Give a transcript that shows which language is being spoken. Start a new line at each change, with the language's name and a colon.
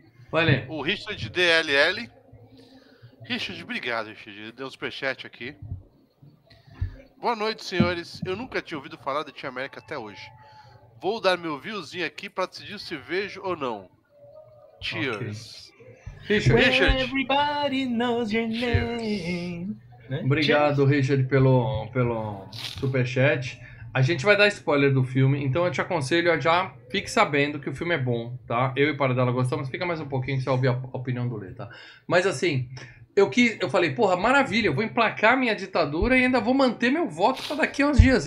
Portuguese: Vai ler. O Richard DLL. Richard, obrigado, Richard. Deu um superchat aqui. Boa noite, senhores. Eu nunca tinha ouvido falar de Team América até hoje. Vou dar meu viewzinho aqui pra decidir se vejo ou não. Cheers. Okay. Richard.
English: Everybody knows your name.
Portuguese: Obrigado, cheers. Richard, pelo superchat. A gente vai dar spoiler do filme, então eu te aconselho a já fique sabendo que o filme é bom, tá? Eu e o Paradela gostamos, fica mais um pouquinho que você ouvir a opinião do Lê, tá? Mas assim, eu falei, porra, maravilha, eu vou emplacar minha ditadura e ainda vou manter meu voto pra daqui a uns dias.